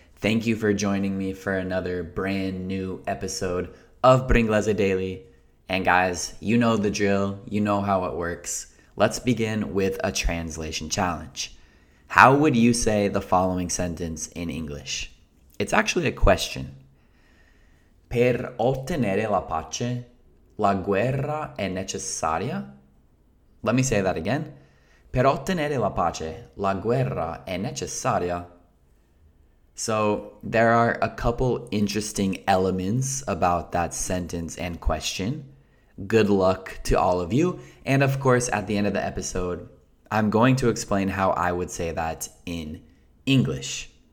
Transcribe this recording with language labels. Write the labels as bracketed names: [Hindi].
[English] Thank you for joining me for another brand new episode of Bringlese Daily. And guys, you know the drill, you know how it works. Let's begin with a translation challenge. How would you say the following sentence in English? It's actually a question. [Italian] Per ottenere la pace, la guerra è necessaria? [English] Let me say that again. [Italian] Per ottenere la pace, la guerra è necessaria? [English] So there are a couple interesting elements about that sentence and question. Good luck to all of you. And of course, at the end of the episode, I'm going to explain how I would say that in English.